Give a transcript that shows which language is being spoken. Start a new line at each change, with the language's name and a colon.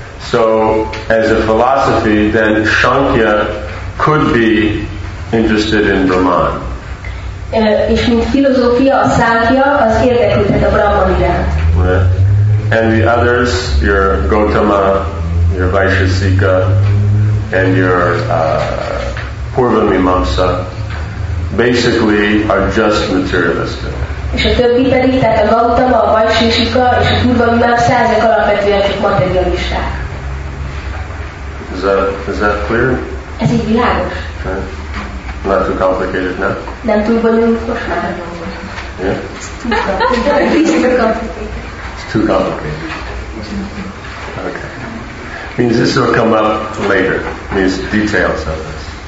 English: So as a philosophy, then Shankya could be interested in Brahman.
Hungarian: És mint filozófia, a Shankya az érdeklődhet a Brahman iránt.
English: And the others, your Gautama, your Vaisheshika, and your Purvamimamsa, basically are just materialistic.
Hungarian: És a többi pedig, tehát a Gautama, a Vaisheshika és a Purvamimamsa, ezek alapvetően csak materialisták.
English: Is that clear?
Hungarian: Ez így világos.
English: Okay. Not too complicated, no?
Hungarian: Nem túl bonyolult, most már nem bonyolult.
English: Yeah? Too complicated. Okay. Means this will come up later. Means details of this.